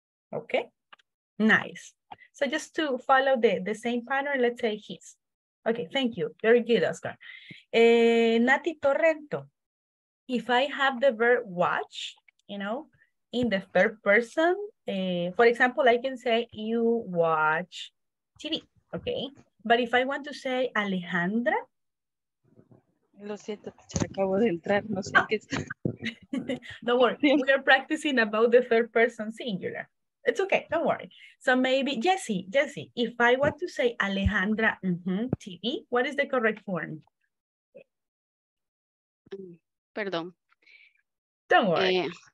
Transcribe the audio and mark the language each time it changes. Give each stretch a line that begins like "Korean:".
English: Okay, nice. So just to follow the same pattern, let's say his. Okay, thank you. Very good, Oscar. Nati Torrento, if I have the verb watch, you know, in the third person, for example, I can say you watch TV, okay? But if I want to say Alejandra,
Spanish: lo siento, acabo de entrar, no sé qué es.
English: Don't worry, we are practicing about the third person singular. It's okay, don't worry. So maybe, Jesse, if I want to say Alejandra TV, what is the correct form?
Spanish: Perdón.
English: Don't worry.